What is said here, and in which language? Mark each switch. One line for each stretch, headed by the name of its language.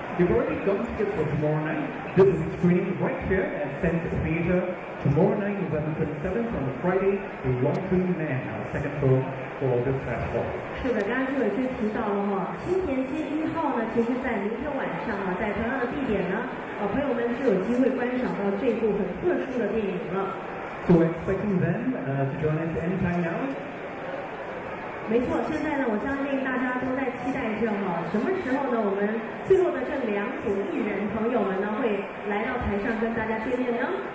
English: You've already gotten tickets for tomorrow night. This is screening right here at Center Theatre. Tomorrow night, November 27th, on Friday, The Laundry Man, our second film for this festival.
Chinese: 是的，刚刚就有提到了哈，青田街一号呢，其实在明天晚上啊，在同样的地点呢，朋友们就有机会观赏到这部很特殊的电影了。
English: So we're expecting them to join us anytime now.
Chinese: 没错，现在呢，我相信大家都在期待着哈，什么时候呢，我们最后的这两组艺人朋友们呢，会来到台上跟大家见面呢？